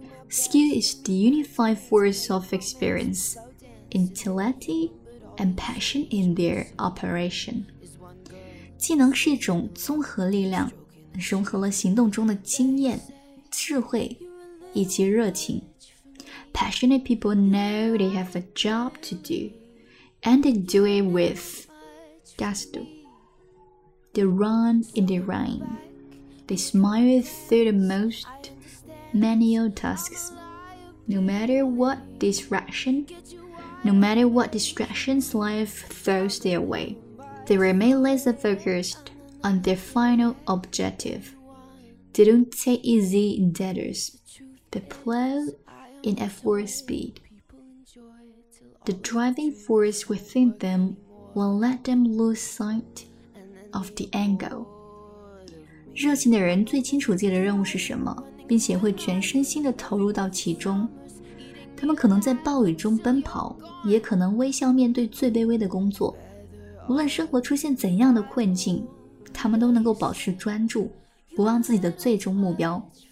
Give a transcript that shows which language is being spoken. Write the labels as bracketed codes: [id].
[en] Skill is the unified force of experience, intellect and passion in their operation. [zh] 技能是一种综合力量，融合了行动中的经验、智慧以及热情。 [en] Passionate people know they have a job to do, and they do it with gusto. They run in the rain. They smile through the most manual tasks. No matter what distractions life throws their way, they remain laser focused on their final objective. They don't take easy endeavors. They plow in at full speed. The driving force within them won't let them lose sight of the end goal. [zh] 热情的人最清楚自己的任务是什么，并且会全身心地投入到其中。他们可能在暴雨中奔跑，也可能微笑面对最卑微的工作。无论生活出现怎样的困境，他们都能够保持专注，不忘自己的最终目标。